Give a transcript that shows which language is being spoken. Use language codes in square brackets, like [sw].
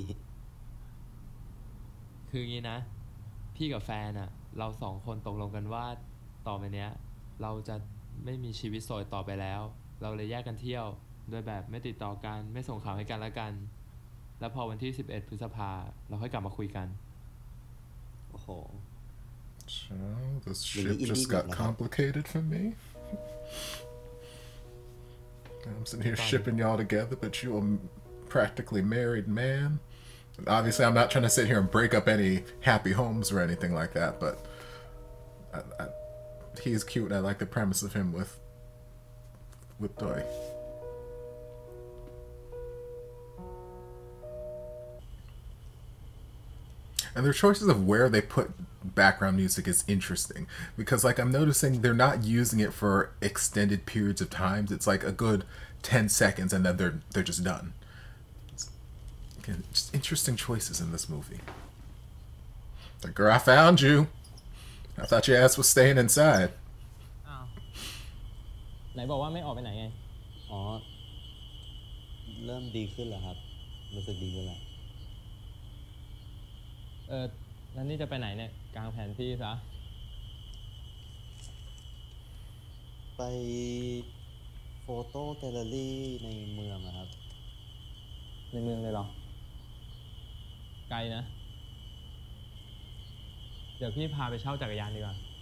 [th] คืองี้นะพี่กับแฟนอ่ะเราสองคนตกลงกันว่าต่อไปเนี้ยเราจะไม่มีชีวิตโสดต่อไปแล้วเราเลยแยกกันเที่ยวโดยแบบไม่ติดต่อกันไม่ส่งข่าวให้กันละกันแล้วพอวันที่11พฤษภาเราค่อยกลับมาคุยกัน โอ้โห [en] So this ship just got complicated for me I'm sitting here shipping y'all together but you are practically married man Obviously I'm not trying to sit here and break up any happy homes or anything like that but he's cute and I like the premise of him with Doi And their choices of where they put background music is interesting. Because, like, I'm noticing they're not using it for extended periods of time. It's like a good 10 seconds and then they're just done. Again, just interesting choices in this movie. The girl, I found you. I thought your ass was staying inside. Oh. Where did you say that you didn't go out? Oh. It's better, right? It's better, right? [th] แล้วนี่จะไปไหนเนี่ยกลางแผนที่ซะ ไปโฟโต้แกลเลอรี่ในเมืองนะครับ ในเมืองเลยหรอไกลนะเดี๋ยวพี่พาไปเช่าจักรยานดีกว่าม